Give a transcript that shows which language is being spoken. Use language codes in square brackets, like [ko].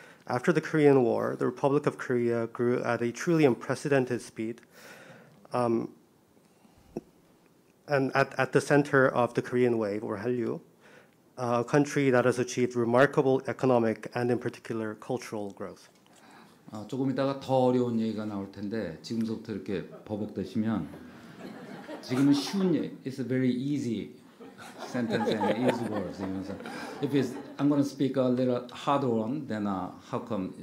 [en] After the Korean War, the Republic of Korea grew at a truly unprecedented speed. And at the center of the Korean wave or Hallyu, a country that has achieved remarkable economic and in particular cultural growth. [ko] 조금 있다가 더 어려운 얘기가 나올 텐데 지금부터 이렇게 버벅대시면 지금은 쉬운 얘기. [en] It's a very easy sentence and easy words. If it's, I'm going to speak a little harder one, then how come?